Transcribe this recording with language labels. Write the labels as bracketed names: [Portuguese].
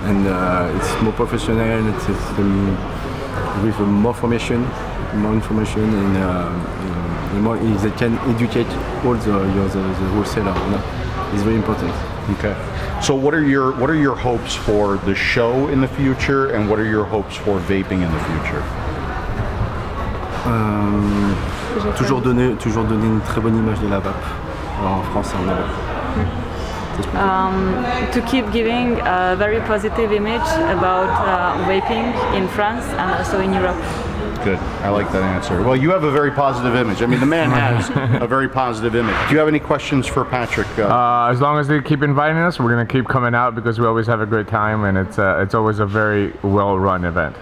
[English] And it's more professional, and it's with more information, and the more they can educate all the wholesaler, It's very important. Okay. So what are your hopes for the show in the future, and what are your hopes for vaping in the future? [French] Toujours donner une très bonne image de la vape en France et en Europe. [English] To keep giving a very positive image about vaping in France and also in Europe. Good. I like that answer. Well, you have a very positive image. I mean, the man has a very positive image. Do you have any questions for Patrick? As long as they keep inviting us, we're going to keep coming out because we always have a great time, and it's always a very well-run event.